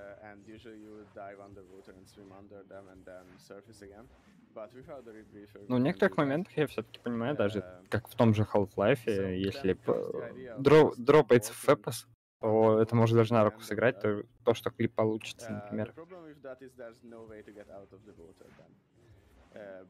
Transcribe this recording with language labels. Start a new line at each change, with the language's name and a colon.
English: And usually you would dive underwater and swim under them and then surface again. But without the rebriefer.
Russian: Ну, в некоторых моментах я все-таки понимаю, даже как в том же Half-Life, если дропается FPS, то это может даже на руку сыграть, то что клип получится, например.
English: Problem with that is there's no way to get out of the water then.